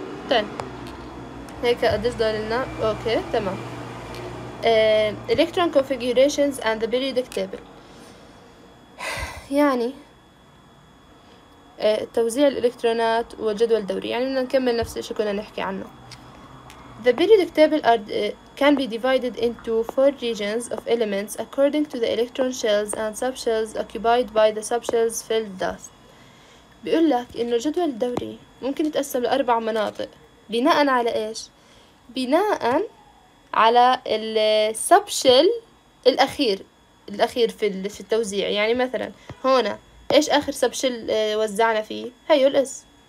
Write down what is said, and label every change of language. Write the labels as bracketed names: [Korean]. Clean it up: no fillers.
[Arabic] طيب هيك قديش ضل لنا؟ اوكي تمام. [English] electron configurations and the periodic table. [Arabic] يعني توزيع الإلكترونات والجدول الدوري، يعني بدنا نكمل نفس الشيء كنا نحكي عنه. [English] The periodic table can be divided into four regions of elements according to the electron shells and subshells occupied by the subshells filled thus. [Arabic] بيقول لك إنه الجدول الدوري ممكن يتقسم لأربع مناطق، بناء على إيش؟ بناء على السبشل الأخير، الأخير في التوزيع. يعني مثلا هنا ايش اخر سبشل وزعنا فيه؟ هيو الاس.